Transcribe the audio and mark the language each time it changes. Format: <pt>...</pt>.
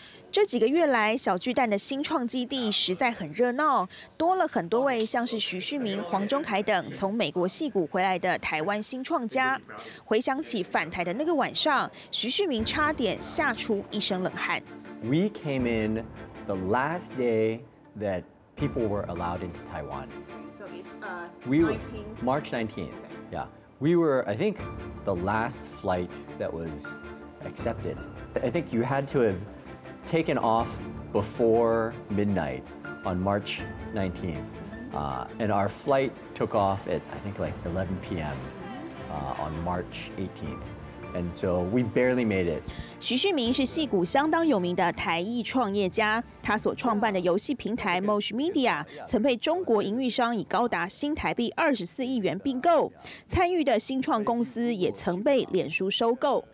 <zh>这几个月来，小巨蛋的新创基地实在很热闹，多了很多位像是徐旭明、黄忠凯等从美国矽谷回来的台湾新创家。回想起返台的那个晚上，徐旭明差点吓出一身冷汗。</zh> <en>We came in the last day that people were allowed into Taiwan. So it's March 19th. Yeah, we were, I think, the last flight that was accepted. I think you had to have taken off before midnight on March 19th. And our flight took off at, I think, like 11 p.m. On March 18th. And so we barely made it.</en> <zh>徐旭明是矽谷相当有名的台裔创业家，他所创办的游戏平台 Mosh Media 曾被中国营运商以高达新台币24亿元并购，参与的新创公司也曾被脸书收购。</zh>